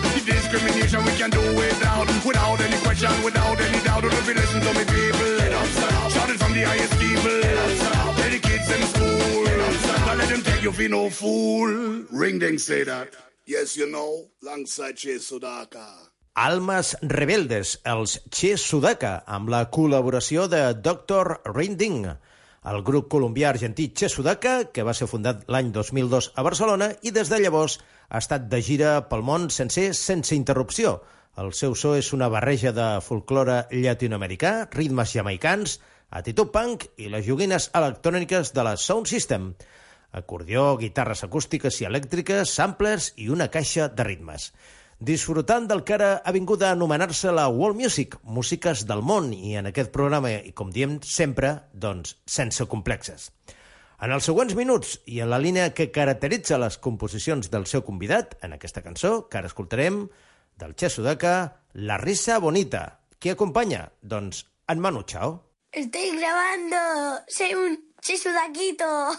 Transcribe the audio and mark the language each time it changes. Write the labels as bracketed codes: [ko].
[en] The discrimination, we can do without. Without any question, without any doubt. Don't you listen to me, people. Get up, stand up. Shout it from the highest people. Get up, stand up. Tell the kids in school. Get up, stand up. Don't let them take you for no fool. Ring ding, say that. Yes, you know, alongside Che Sudaka. [ca] Almas Rebeldes, els Che Sudaka, amb la col·laboració de Dr. Rinding, el grup colombià-argentí Che Sudaka, que va ser fundat l'any 2002 a Barcelona i des de llavors ha estat de gira pel món sencer sense interrupció. El seu so és una barreja de folclore llatinoamericà, ritmes jamaicans, attitude punk i les joguines electròniques de la Sound System. Acordió, guitarres acústiques i elèctriques, samplers i una caixa de ritmes. Disfrutant del que ara ha vingut a anomenar-se la World Music, músiques del món, i en aquest programa, i com diem sempre, doncs sense complexes. En els següents minuts, i en la línia que caracteritza les composicions del seu convidat, en aquesta cançó, que ara escoltarem, del Che Sudaka, La Risa Bonita. Qui acompanya? Doncs en Manu Chao. [es] Estoy grabando, soy un Che Sudakito.